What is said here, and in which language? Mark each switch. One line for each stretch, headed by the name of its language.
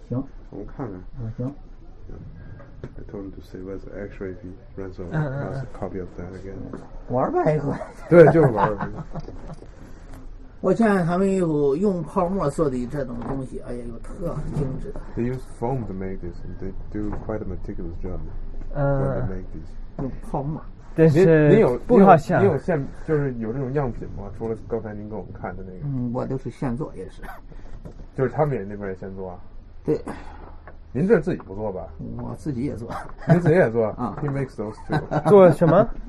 Chinese: 行，我们看看。行。
English: I told him to save us extra if he runs out of copy of that again。
Chinese: 玩呗，一个。对，就是玩。我见他们有用泡沫做的这种东西，哎呀，有特精致的。
English: They use foam to make this, and they do quite a meticulous job when they make this.
Chinese: 用泡沫，但是不好像。你有现就是有这种样品吗？除了刚才您给我们看的那个。嗯，我都是现做，也是。就是他们也那边也现做啊。对。您这自己不做吧？我自己也做。您自己也做啊
English: ？He makes those too。
Chinese: 做什么？